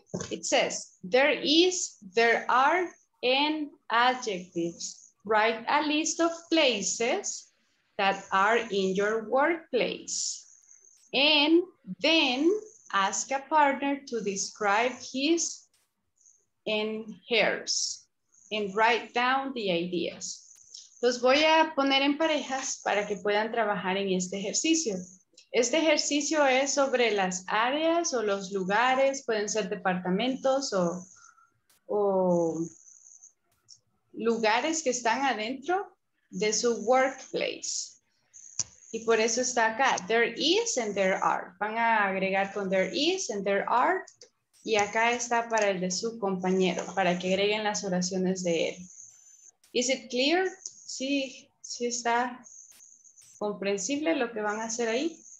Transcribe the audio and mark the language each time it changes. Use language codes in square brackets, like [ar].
[en] it says, there is, there are, and adjectives. Write a list of places that are in your workplace. And then ask a partner to describe his and hers. And write down the ideas. [es] Los voy a poner en parejas para que puedan trabajar en este ejercicio. Este ejercicio es sobre las áreas o los lugares, pueden ser departamentos o lugares que están adentro de su workplace. Y por eso está acá, [en] there is and there are. [es] Van a agregar con [en] there is and there are. [es] Y acá está para el de su compañero, para que agreguen las oraciones de él. [en] Is it clear? [es] Sí, sí está comprensible lo que van a hacer ahí.